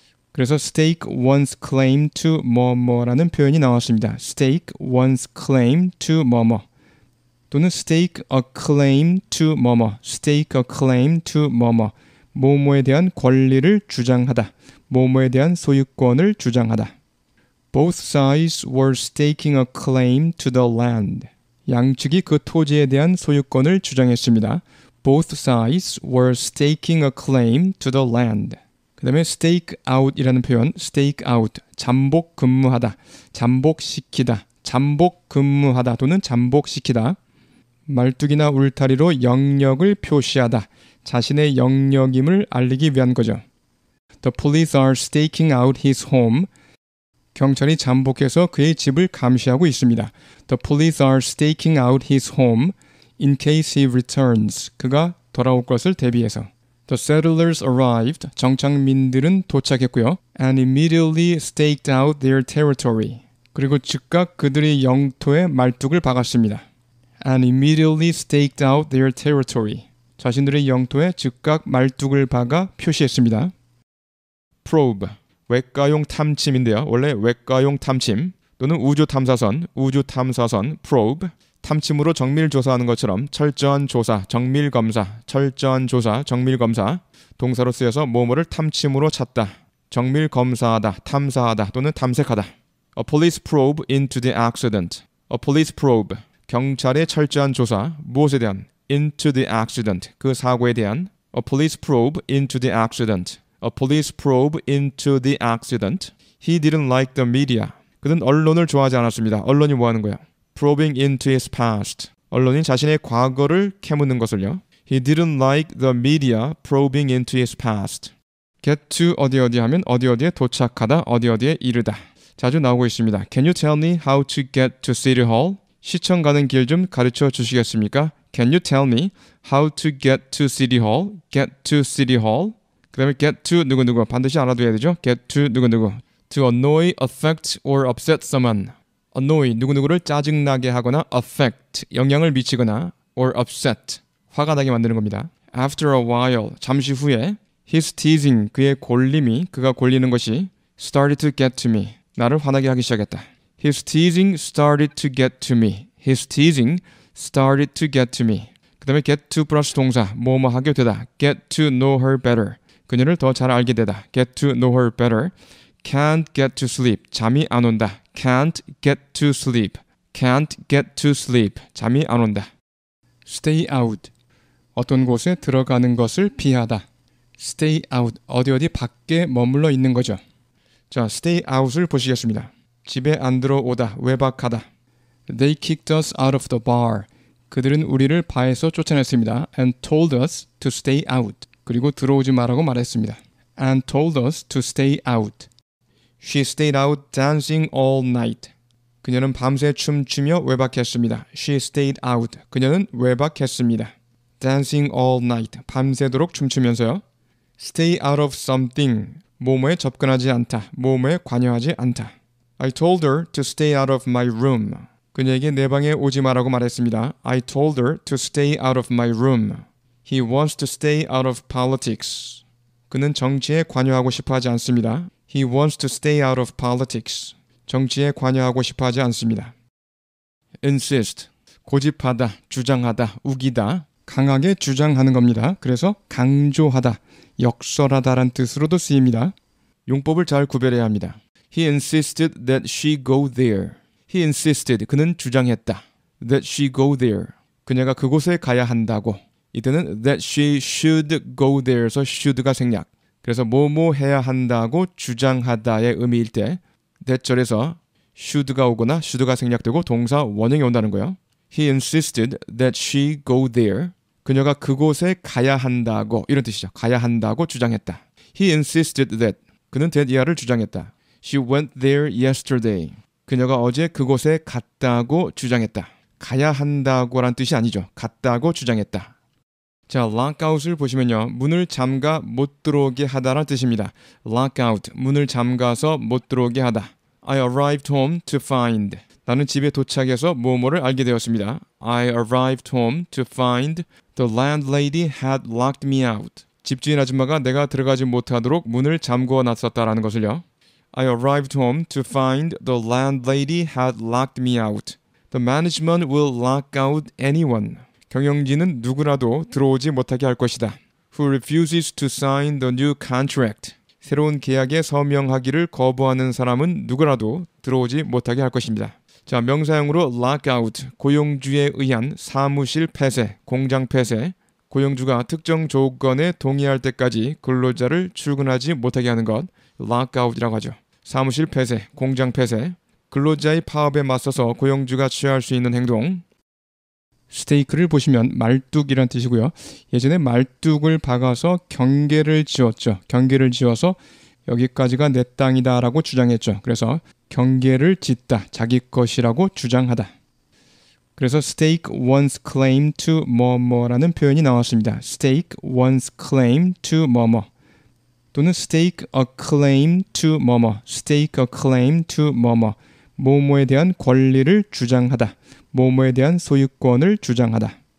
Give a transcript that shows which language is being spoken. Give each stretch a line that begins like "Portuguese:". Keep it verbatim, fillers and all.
Korean: 그래서
English: stake one's claim to
Korean: 뭐뭐라는 표현이 나왔습니다.
English: stake one's claim to
Korean: 뭐뭐 또는
English: stake a claim to
Korean: 뭐뭐, stake a claim to 뭐뭐, 뭐뭐에 대한 권리를 주장하다, 뭐뭐에 대한 소유권을 주장하다.
English: Both sides were staking a claim to the land.
Korean: 양측이 그 토지에 대한 소유권을 주장했습니다.
English: Both sides were staking a claim to the land.
Korean: 그 다음에
English: stake out
Korean: 이라는 표현, stake out, 잠복 근무하다, 잠복시키다, 잠복 근무하다 또는 잠복시키다. 말뚝이나 울타리로 영역을 표시하다, 자신의 영역임을 알리기 위한 거죠.
English: The police are staking out his home.
Korean: 경찰이 잠복해서 그의 집을 감시하고 있습니다.
English: The police are staking out his home in case he returns.
Korean: 그가 돌아올 것을 대비해서.
English: The settlers arrived.
Korean: 정착민들은 도착했고요.
English: And immediately staked out their territory.
Korean: 그리고 즉각 그들의 영토에 말뚝을 박았습니다.
English: And immediately staked out their territory.
Korean: 자신들의 영토에 즉각 말뚝을 박아 표시했습니다. Probe. 외과용 탐침인데요. 원래 외과용 탐침 또는 우주탐사선, 우주탐사선, probe. 탐침으로 정밀 조사하는 것처럼 철저한 조사, 정밀 검사, 철저한 조사, 정밀 검사. 동사로 쓰여서 뭐뭐를 탐침으로 찾다, 정밀 검사하다, 탐사하다 또는 탐색하다.
English: A police probe into the accident. A police probe.
Korean: 경찰의 철저한 조사, 무엇에 대한?
English: Into the accident.
Korean: 그 사고에 대한.
English: A police probe into the accident. A police probe into the accident. He didn't like the media.
Korean: 그는 언론을 좋아하지 않았습니다. 언론이 뭐 하는 거야?
English: Probing into his past.
Korean: 언론인 자신의 과거를 캐묻는 것을요.
English: He didn't like the media probing into his past. Get to
Korean: 어디 어디 하면 어디 어디에 도착하다, 어디 어디에 이르다. 자주 나오고 있습니다.
English: Can you tell me how to get to City Hall?
Korean: 시청 가는 길 좀 가르쳐 주시겠습니까?
English: Can you tell me how to get to City Hall? Get to City Hall.
Korean: 그 다음에 get to 누구누구 반드시 알아둬야 되죠.
English: get to 누구누구. To annoy, affect, or upset someone.
Korean: annoy, 누구누구를 짜증나게 하거나 affect, 영향을 미치거나 or upset, 화가 나게 만드는 겁니다.
English: After a while,
Korean: 잠시 후에
English: his teasing,
Korean: 그의 골림이, 그가 골리는 것이
English: started to get to me,
Korean: 나를 화나게 하기 시작했다.
English: His teasing started to get to me. His teasing started to get to me.
Korean: 그 다음에 get to 플러스 동사, 뭐뭐 하게 되다.
English: get to know her better,
Korean: 그녀를 더 잘 알게 되다.
English: get to know her better. Can't get to sleep,
Korean: 잠이 안 온다.
English: Can't get to sleep. Can't get to sleep.
Korean: 잠이 안 온다.
English: Stay out.
Korean: 어떤 곳에 들어가는 것을 피하다.
English: Stay out.
Korean: 어디 어디 밖에 머물러 있는 거죠. 자, stay out을 보시겠습니다. 집에 안 들어오다, 외박하다.
English: They kicked us out of the bar.
Korean: 그들은 우리를 바에서 쫓아냈습니다.
English: And told us to stay out.
Korean: 그리고 들어오지 말라고 말했습니다.
English: And told us to stay out. She stayed out dancing all night.
Korean: 그녀는 밤새 춤추며 외박했습니다.
English: She stayed out.
Korean: 그녀는 외박했습니다.
English: Dancing all night.
Korean: 밤새도록 춤추면서요.
English: Stay out of something.
Korean: 뭐뭐에 접근하지 않다, 뭐뭐에 관여하지 않다.
English: I told her to stay out of my room.
Korean: 그녀에게 내 방에 오지 마라고 말했습니다.
English: I told her to stay out of my room. He wants to stay out of politics.
Korean: 그는 정치에 관여하고 싶어하지 않습니다.
English: He wants to stay out of politics.
Korean: 정치에 관여하고 싶어하지 않습니다.
English: Insist.
Korean: 고집하다, 주장하다, 우기다. 강하게 주장하는 겁니다. 그래서 강조하다, 역설하다란 뜻으로도 쓰입니다. 용법을 잘 구별해야 합니다.
English: He insisted that she go there. He insisted.
Korean: 그는 주장했다.
English: That she go there.
Korean: 그녀가 그곳에 가야 한다고. 이때는
English: that she should go there
Korean: 에서 should가 생략. 그래서 뭐뭐 해야 한다고 주장하다의 의미일 때 대절에서 should가 오거나 should가 생략되고 동사 원형이 온다는 거예요.
English: He insisted that she go there.
Korean: 그녀가 그곳에 가야 한다고, 이런 뜻이죠. 가야 한다고 주장했다.
English: He insisted that.
Korean: 그는 that 이하를 주장했다.
English: She went there yesterday.
Korean: 그녀가 어제 그곳에 갔다고 주장했다. 가야 한다고란 뜻이 아니죠. 갔다고 주장했다. 자, 락아웃을 보시면요. 문을 잠가 못 들어오게 하다라는 뜻입니다. 락아웃, 문을 잠가서 못 들어오게 하다.
English: I arrived home to find.
Korean: 나는 집에 도착해서 뭐뭐를 알게 되었습니다.
English: I arrived home to find the landlady had locked me out.
Korean: 집주인 아줌마가 내가 들어가지 못하도록 문을 잠궈 놨었다라는 것을요.
English: I arrived home to find the landlady had locked me out. The management will lock out anyone.
Korean: 경영진은 누구라도 들어오지 못하게 할 것이다.
English: Who refuses to sign the new contract.
Korean: 새로운 계약에 서명하기를 거부하는 사람은 누구라도 들어오지 못하게 할 것입니다. 자, 명사형으로 lock out, 고용주에 의한 사무실 폐쇄, 공장 폐쇄. 고용주가 특정 조건에 동의할 때까지 근로자를 출근하지 못하게 하는 것, lock out이라고 하죠. 사무실 폐쇄, 공장 폐쇄. 근로자의 파업에 맞서서 고용주가 취할 수 있는 행동. 스테이크를 보시면 말뚝이란 뜻이고요. 예전에 말뚝을 박아서 경계를 지었죠. 경계를 지어서 여기까지가 내 땅이다 라고 주장했죠. 그래서 경계를 짓다, 자기 것이라고 주장하다. 그래서
English: stake one's claim to
Korean: 뭐뭐라는 표현이 나왔습니다.
English: stake one's claim to
Korean: 뭐뭐 또는
English: stake a claim to
Korean: 뭐뭐 stake a claim to 뭐뭐 뭐뭐에 대한 권리를 주장하다. 뭐뭐에 대한 소유권을 주장하다.